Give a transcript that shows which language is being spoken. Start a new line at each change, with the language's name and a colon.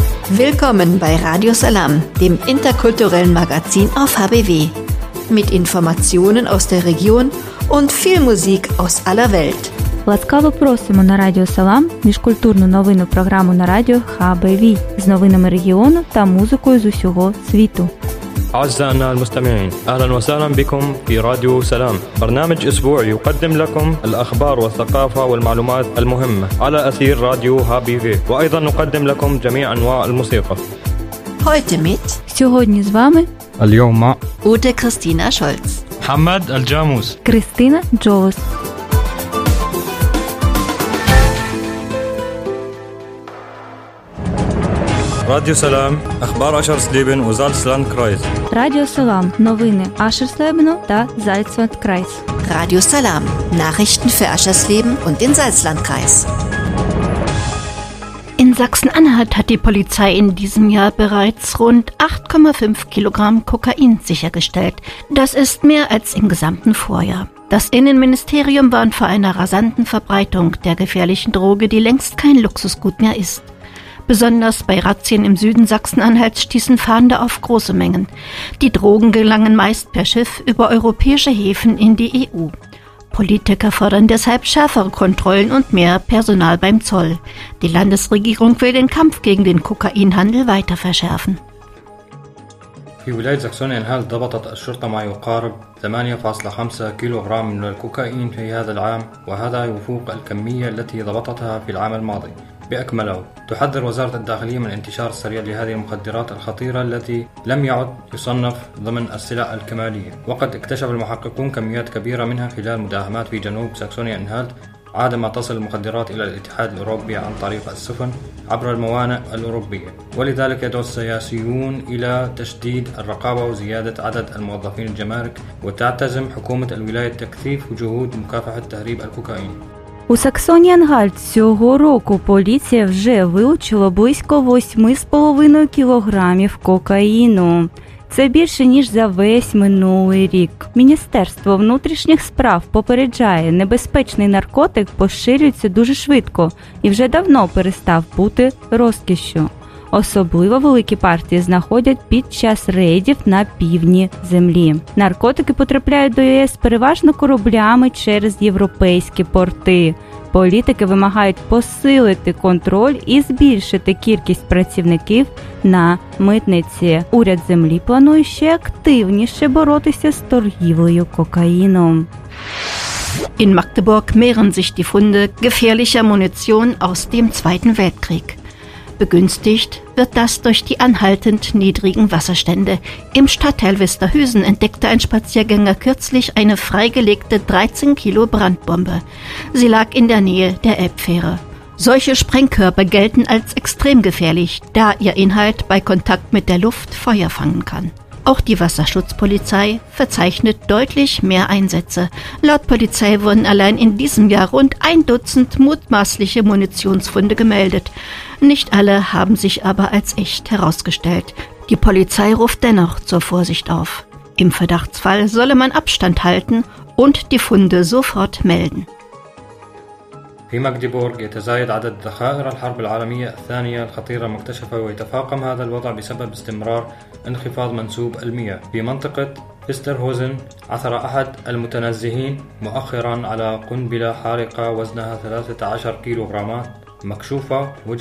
German: Willkommen bei Radio Salam, dem interkulturellen Magazin auf HBW. Mit Informationen aus der Region und viel Musik aus aller Welt.
Ukrainian: Ласкаво просимо на Радіо Салам міжкультурну новинну програму на радіо HBV з новинами регіону та музикою з усього світу.
Arabic: أعزائنا المستمعين أهلا وسهلا بكم في راديو سلام برنامج أسبوعي يقدم لكم الأخبار والثقافة والمعلومات المهمة على أثير راديو هابي في وأيضا نقدم لكم جميع أنواع الموسيقى
German: Heute mit
Ukrainian: Сьогодні з вами
Arabic: اليوم مع أوتا كريستينا شولتز محمد الجاموس كريستينا جولز
Ukrainian: Радіо Салам, Ахбар Ашерслібен у Зальцландкрайс. Радіо Салам, новини Ашерслібену та Зальцландкрайс.
German: Радіо Салам, Nachrichten für Ашерслібен und den Salzlandkreis. In Sachsen-Anhalt hat die Polizei in diesem Jahr bereits rund 8,5 Kilogramm Kokain sichergestellt. Das ist mehr als im gesamten Vorjahr. Das Innenministerium warnt vor einer rasanten Verbreitung der gefährlichen Droge, die längst kein Luxusgut mehr ist. Besonders bei Razzien im Süden Sachsen-Anhalts stießen Fahnder auf große Mengen. Die Drogen gelangen meist per Schiff über europäische Häfen in die EU. Politiker fordern deshalb schärfere Kontrollen und mehr Personal beim Zoll. Die Landesregierung will den Kampf gegen den Kokainhandel weiter verschärfen.
Arabic: في ولاية سكسون-أنهالت ضبطت الشرطة ما يقارب 8.5 كيلوغرام من الكوكايين في هذا العام وهذا يفوق الكمية التي ضبطتها في العام الماضي بأكمله تحذر وزارة الداخلية من انتشار السريع لهذه المخدرات الخطيرة التي لم يعد يصنف ضمن السلع الكمالية وقد اكتشف المحققون كميات كبيرة منها خلال مداهمات في جنوب سكسون-أنهالت عادة ما تصل المخدرات إلى الاتحاد الأوروبي عن طريق السفن عبر الموانئ الأوروبية ولذلك يدعو السياسيون إلى تشديد الرقابة وزيادة عدد الموظفين الجمارك وتعتزم حكومة الولاية تكثيف جهود مكافحة تهريب الكوكايين
Ukrainian: У Саксоні-Анхальт цього року поліція вже вилучила близько 8,5 кілограмів кокаїну. Це більше, ніж за весь минулий рік. Міністерство внутрішніх справ попереджає, небезпечний наркотик поширюється дуже швидко і вже давно перестав бути розкішю. Особливо великі партії знаходять під час рейдів на півдні землі. Наркотики потрапляють до ЄС переважно кораблями через європейські порти. Політики вимагають посилити контроль і збільшити кількість працівників на митниці. Уряд землі планує ще активніше боротися з торгівлею кокаїном.
German: In Magdeburg mehren sich die Funde gefährlicher Munition aus dem Zweiten Weltkrieg. Begünstigt wird das durch die anhaltend niedrigen Wasserstände. Im Stadtteil Westerhüsen entdeckte ein Spaziergänger kürzlich eine freigelegte 13 Kilo Brandbombe. Sie lag in der Nähe der Elbfähre. Solche Sprengkörper gelten als extrem gefährlich, da ihr Inhalt bei Kontakt mit der Luft Feuer fangen kann. Auch die Wasserschutzpolizei verzeichnet deutlich mehr Einsätze. Laut Polizei wurden allein in diesem Jahr rund ein Dutzend mutmaßliche Munitionsfunde gemeldet. Nicht alle haben sich aber als echt herausgestellt. Die Polizei ruft dennoch zur Vorsicht auf. Im Verdachtsfall solle man Abstand halten und die Funde sofort melden.
Arabic: في ماغديبورغ يتزايد عدد ذخائر الحرب العالمية الثانية الخطيرة المكتشفة ويتفاقم هذا الوضع بسبب استمرار انخفاض منسوب المياه في منطقة فيسترهوزن عثر أحد المتنزهين مؤخرا على قنبلة حارقة وزنها 13 كيلوغرامات مكشوفة